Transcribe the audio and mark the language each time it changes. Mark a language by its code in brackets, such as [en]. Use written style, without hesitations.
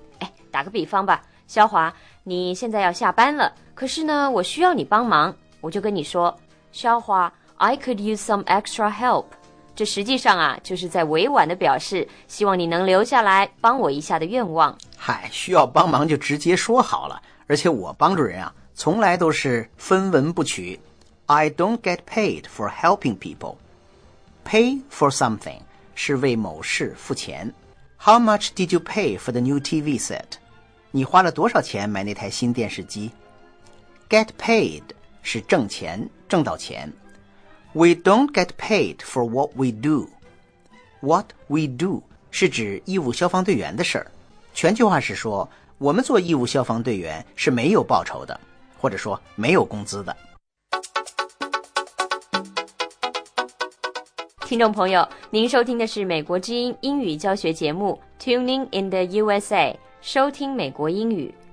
[zh] 哎，打个比方吧，萧华，你现在要下班了，可是呢我需要你帮忙，我就跟你说，萧华， [en] I could use some extra help。 [zh] 这实际上啊，就是在委婉地表示希望你能留下来帮我一下的愿望。嗨，需要帮忙就直接说好了，而且我帮助人啊，从来都是分文不取。 [en] I don't get paid for helping people. Pay for something [zh] 是为某事付钱。 [en] How much did you pay for the new TV set? [zh] 你花了多少钱买那台新电视机？ Get paid 是挣钱，挣到钱。 [en] We don't get paid for what we do. What we do [zh] 是指义务消防队员的事儿。全句话是说，我们做义务消防队员是没有报酬的，或者说没有工资的。听众朋友，您收听的是美国之音英语教学节目 Tuning in the USA， 收听美国英语。